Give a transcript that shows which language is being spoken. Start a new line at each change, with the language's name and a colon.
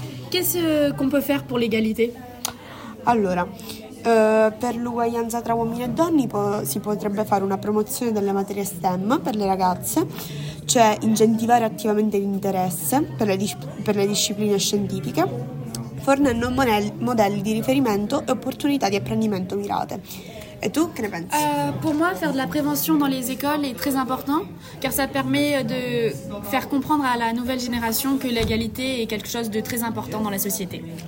French: Qu'est-ce qu'on peut faire pour l'égalité?
Italian: Allora, per l'uguaglianza tra uomini e donne si potrebbe fare una promozione delle materie STEM per le ragazze, cioè incentivare attivamente l'interesse per le discipline scientifiche, fornendo modelli di riferimento e opportunità di apprendimento mirate. Et tu, que ne penses?
French: Pour moi, faire de la prévention dans les écoles est très important, car ça permet de faire comprendre à la nouvelle génération que l'égalité est quelque chose de très important dans la société.